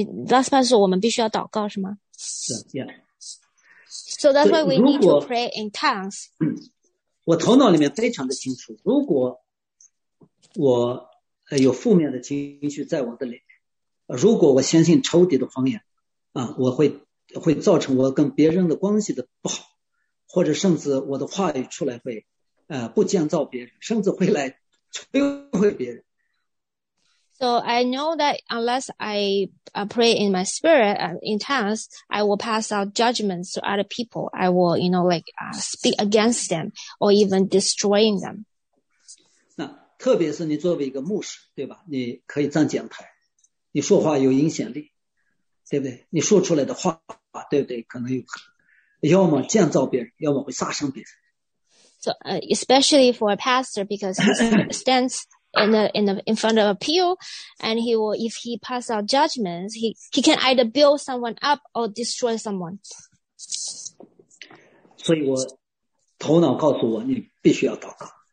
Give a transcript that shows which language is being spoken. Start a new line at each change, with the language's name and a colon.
English: Last part
Chinese: 是我们必须要祷告，是吗？是 ，Yeah.
English: So that's why we need to pray in tongues.
Chinese: 我头脑里面非常的清楚，如果我有负面的情绪在我的里面，如果我相信仇敌的方言，我会造成我跟别人的关系的不好，或者甚至我的话语出来会，不建造别人，甚至会来摧毁别人。
English: So I know that unless I pray in my spirit in tongues, I will pass out judgments to other people. I will, you know, like speak against them or even destroying them.
Chinese: 特别是你作为一个牧师，对吧？你可以站讲台，你说话有影响力，对不对？你说出来的话，对不对？可能有，要么建造别人，要么会杀伤别人。
English: So, especially for a pastor, because he stands in front of a pew, and he will, if he pass out judgments, he can either build someone up or destroy someone.
Chinese: 所以我头脑告诉我，你必须要祷告。